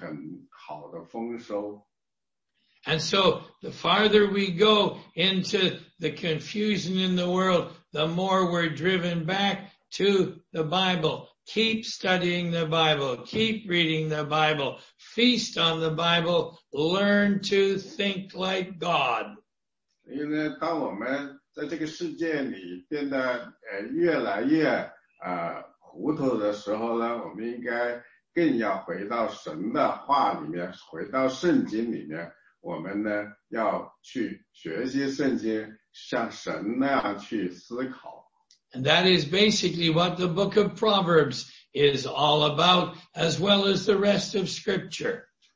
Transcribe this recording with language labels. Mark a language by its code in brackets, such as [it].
[zh] 因为他基本上说呢，神的话就像水，浇到一个沙漠里，它会带来很好的丰收。 [en] And so the farther we go into the confusion in the world, the more we're driven back to the Bible. Keep studying the Bible. Keep reading the Bible. Feast on the Bible. Learn to think like God. [zh] 因为当我们在这个世界里变得越来越糊涂的时候呢，我们应该更要回到神的话里面，回到圣经里面。我们呢，要去学习圣经，像神那样去思考。 [en] And that is basically what the book of Proverbs is all about, as well as the rest of Scripture.